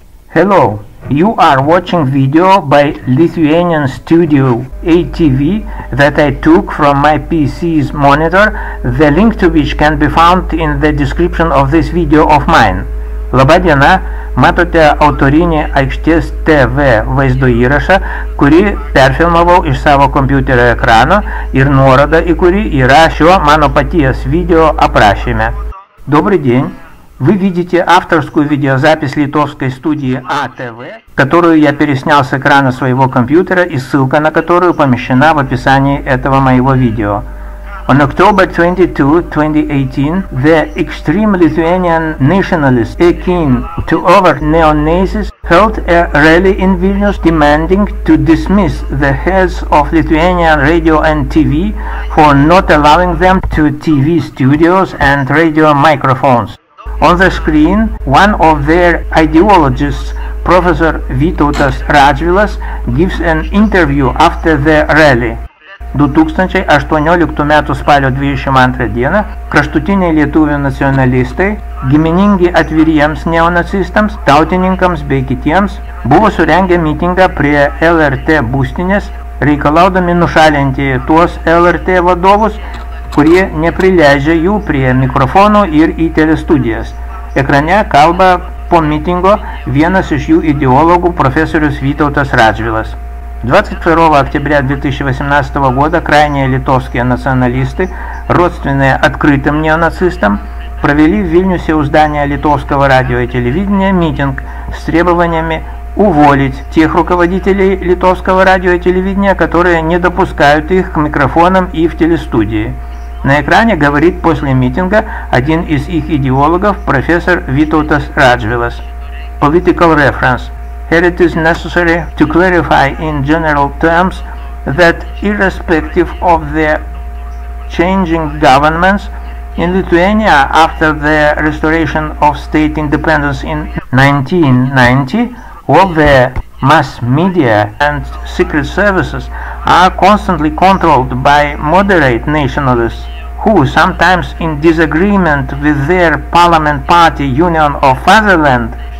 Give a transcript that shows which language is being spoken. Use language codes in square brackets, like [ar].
[en] Hello, you are watching video by Lithuanian studio ATV that I took from my PC's monitor, the link to which can be found in the description of this video of mine. [lt] Laba diena, matote autorinį aikštės TV vaizdo įrašą, kurį perfilmavau iš savo kompiuterio ekrano ir nuorodą į kurį yra šio mano paties video aprašyme. [ru] Добрый день! Вы видите авторскую видеозапись литовской студии АТВ, которую я переснял с экрана своего компьютера и ссылка на которую помещена в описании этого моего видео. [en] On October 22, 2018, the extreme Lithuanian nationalist akin to over neo-Nazis held a rally in Vilnius demanding to dismiss the heads of Lithuanian radio and TV for not allowing them to TV studios and radio microphones. On the screen, one of their ideologists, Professor Vytautas Radžvilas, gives an interview after the rally. [lt] 2018 m. spalio 22 d. kraštutiniai lietuvių nacionalistai, giminingi atviriems neonacistams, tautininkams bei kitiems, buvo surengę mitingą prie LRT būstinės, reikalaudami nušalinti tuos LRT vadovus, kurie neprileidžia jų prie mikrofonų ir į telestudijas. Ekrane kalba po mitingo vienas iš jų ideologų profesorius Vytautas Radžvilas. [ru] 22 октября 2018 года крайние литовские националисты, родственные открытым неонацистам, провели в Вильнюсе у здания литовского радио и телевидения митинг с требованиями уволить тех руководителей литовского радио и телевидения, которые не допускают их к микрофонам и в телестудии. На экране говорит после митинга один из их идеологов, профессор Витаутас Радживилас. [en] Political reference. Here it is necessary to clarify in general terms that irrespective of the changing governments in Lithuania after the restoration of state independence in 1990, all the mass media and secret services are constantly controlled by moderate nationalists, who sometimes in disagreement with their parliament party Union of Fatherland,